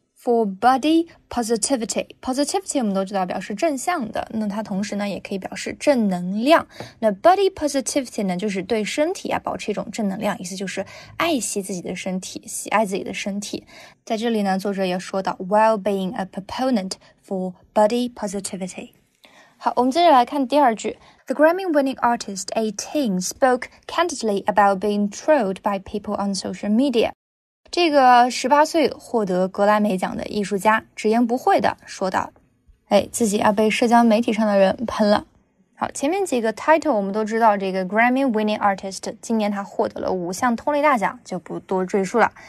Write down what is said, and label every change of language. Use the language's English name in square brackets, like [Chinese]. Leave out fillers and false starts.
[English] For body positivity， positivity [Chinese] 我们都知道表示正向的，那它同时呢也可以表示正能量。那 [English] body positivity [Chinese] 呢就是对身体啊保持一种正能量，意思就是爱惜自己的身体，喜爱自己的身体。在这里呢作者也说到 [English] while being a proponent for body positivity。 [Chinese] 好，我们接着来看第二句。 [English] The Grammy-winning artist 18 spoke candidly about being trolled by people on social media。 [Chinese] 这个18岁获得格莱美奖的艺术家直言不讳的说道，自己被社交媒体上的人喷了。好，前面几个 title 我们都知道，这个 [English] Grammy winning artist [Chinese] 今年他获得了5项通类大奖，就不多赘述了。